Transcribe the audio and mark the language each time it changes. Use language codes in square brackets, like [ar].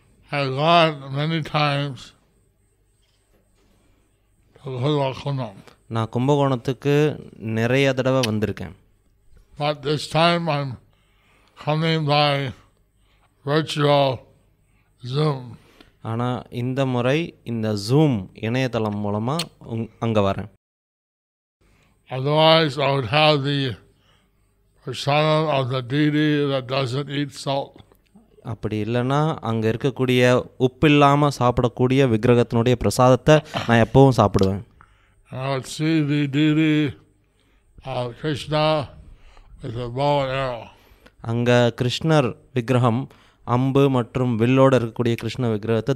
[en] I've gone many times to Kumbakonam. [ta] Na Kumbakonathukku neraiya thadava vandiruken. [en] But this time I'm coming by virtual Zoom. [ta] ஆனால் இந்த முறை இந்த zoom இணையதளம் மூலமாக அங்கே வரேன். [en] Otherwise I would have the persona of the deity that doesn't eat salt. [ta] அப்படி இல்லைன்னா அங்கே இருக்கக்கூடிய உப்பு இல்லாமல் சாப்பிடக்கூடிய விக்கிரகத்தினுடைய பிரசாதத்தை நான் எப்பவும் சாப்பிடுவேன். [en] I would see the deity of Krishna with a bow and arrow. [ta] அங்கே கிருஷ்ணர் விக்கிரகம் அம்பு மற்றும் வில்லோடு இருக்கக்கூடிய கிருஷ்ண விக்கிரகத்தை